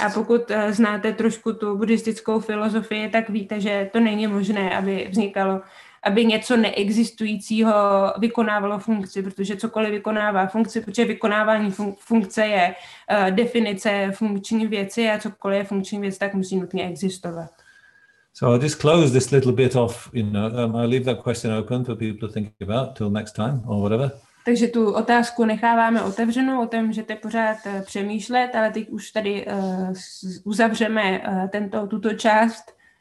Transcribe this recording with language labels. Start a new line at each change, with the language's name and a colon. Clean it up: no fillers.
Czech: A pokud znáte trošku tu buddhistickou filozofii, tak víte, že to není možné, aby vznikalo, aby něco neexistujícího vykonávalo funkci, protože cokoliv vykonává funkci, protože vykonávání funkce je definice funkční věci a cokoliv je funkční věc, tak musí nutně existovat.
English: So I'll just close this little bit off, you know, I'll leave that question open for people to think about till next time or whatever.
Czech: Takže tu otázku necháváme otevřenou, o tom můžete pořád přemýšlet, ale teď už tady uzavřeme tuto část.